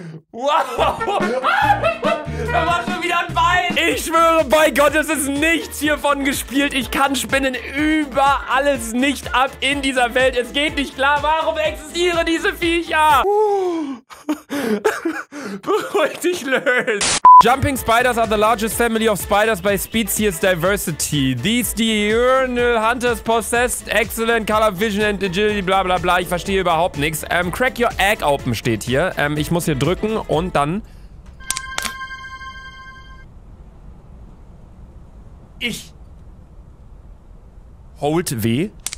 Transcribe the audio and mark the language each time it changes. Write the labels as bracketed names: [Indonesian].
[German] Wow. Da war schon wieder ein Bein. Ich schwöre bei Gott, es ist nichts hiervon gespielt. Ich kann Spinnen über alles nicht ab in dieser Welt. Es geht nicht klar. Warum existieren diese Viecher? Beruhig dich, Löss. [English] Jumping spiders are the largest family of spiders by species diversity. These diurnal hunters possess excellent color vision and agility, bla bla bla. [German] Ich verstehe überhaupt nichts. [English] Crack your egg open [German] steht hier. Ich muss hier drücken und dann. Ich. [English] Hold W.